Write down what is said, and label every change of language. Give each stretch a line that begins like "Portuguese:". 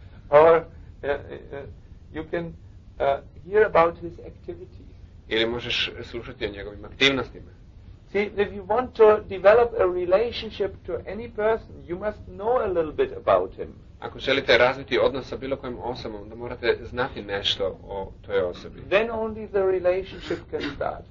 English: Or you can hear about his activities.
Croatian: Ili možeš slušati o njegovim aktivnostima.
English: See, if you want to develop a relationship to any person, you must know a little bit about him.
Croatian: Ako želite razviti odnos sa bilo kojim osobom, onda morate znati nešto o toj osobi.
English: Then only the relationship can start.